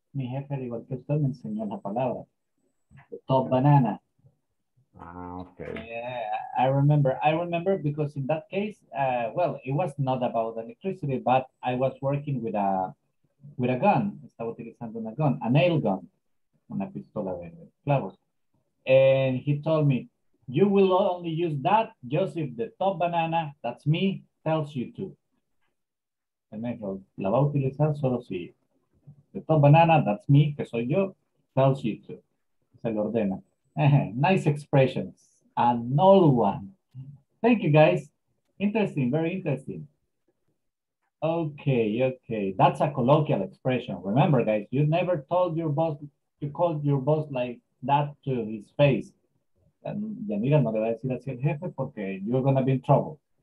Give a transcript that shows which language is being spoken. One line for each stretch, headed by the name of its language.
Spanish: Mi jefe, igual que usted, me enseñó la palabra.
English: The top banana. Ah, okay. Yeah, I remember because in that case, well, it was not about electricity, but I was working with a gun.
Spanish: Estaba utilizando una gun,
English: a nail gun,
Spanish: una pistola de clavos.
English: And he told me, you will only use that just if the top banana, that's me, tells you to.
Spanish: And me dijo, la va a utilizar solo si...
English: The top banana, that's me,
Spanish: que soy yo,
English: tells you to.
Spanish: Se lo ordena.
English: Nice expressions. An old one. Thank you, guys. Interesting, very interesting. Okay. That's a colloquial expression. Remember, guys, you never told your boss, you called your boss like that to his face.
Spanish: Yanira, no le va a decir así al jefe porque
English: you're going to be in trouble.